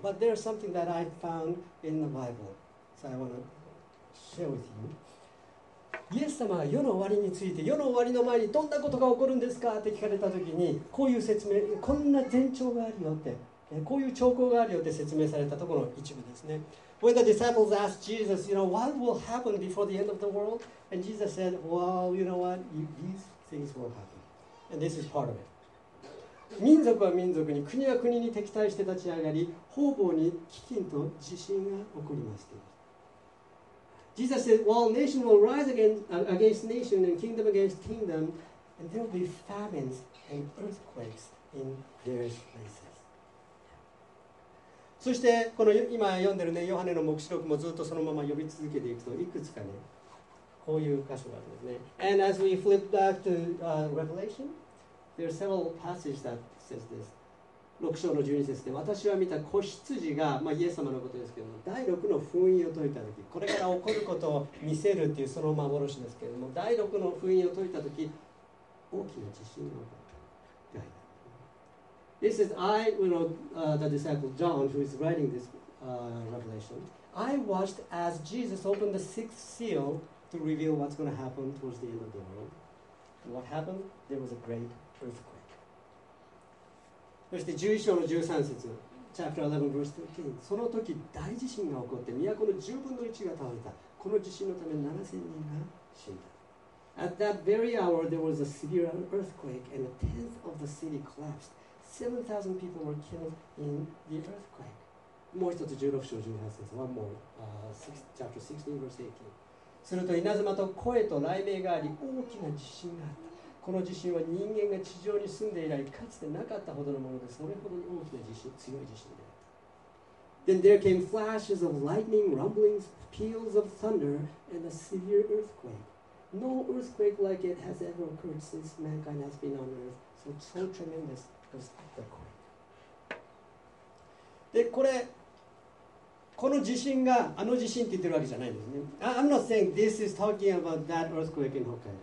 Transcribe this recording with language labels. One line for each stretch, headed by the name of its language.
English: But there's something that I found in the Bible, so I want to share with you.
Japanese: イエス様が世の終わりについて、世の終わりの前にどんなことが起こるんですかって聞かれたときに、こういう説明、こんな前兆があるよって、こういう兆候があるよって説明されたところの一部ですね。
English: When the disciples asked Jesus, you know, what will happen before the end of the world? And Jesus said, well, you know what? These things will happen. And this is part of it.
Japanese: 民族は民族に、国は国に敵対して立ち上がり、方々に飢饉と地震が起こります。
English: Jesus said, well, nation will rise against nation and kingdom against kingdom, and there will be famines and earthquakes in various places.
Japanese: そしてこの今読んでるねヨハネの黙示録もずっとそのまま読み続けていくといくつかねこういう箇所があるんですね。
English: And as we flip back to Revelation, there are several passages that says this.
Japanese: 6章の12節で私は見た子羊が、まあ、イエス様のことですけども第6の封印を解いた時これから起こることを見せるっていうその幻ですけども第6の封印を解いた時大きな地震が起こった。
English: This is I, you know, the disciple John who is writing this revelation. I watched as Jesus opened the sixth seal to reveal what's going to happen towards the end of the world. And what happened? There was a great earthquake.
Japanese: そして11章の13節
English: Chapter 11 verse 13
Japanese: その時大地震が起こって都の10分の1が倒れた。この地震のため7000人が死んだ。
English: At that very hour there was a severe earthquake and a tenth of the city collapsed. 7000 people were killed in the earthquake.
Japanese: もう一つ16章18節
English: One more Chapter 16 verse 18
Japanese: すると稲妻と声と雷鳴があり大きな地震があった。この地震は人間が地上に住んで以来かつてなかったほどのものでそれほどに大きな地震、強い地震であった。
English: Then there came flashes of lightning, rumblings, peals of thunder, and a severe earthquake. No earthquake like it has ever occurred since mankind has been on earth. So tremendous was the earthquake.
Japanese: で、これ、この地震があの地震って言ってるわけじゃないんですね。
English: I'm not saying this is talking about that earthquake in Hokkaido.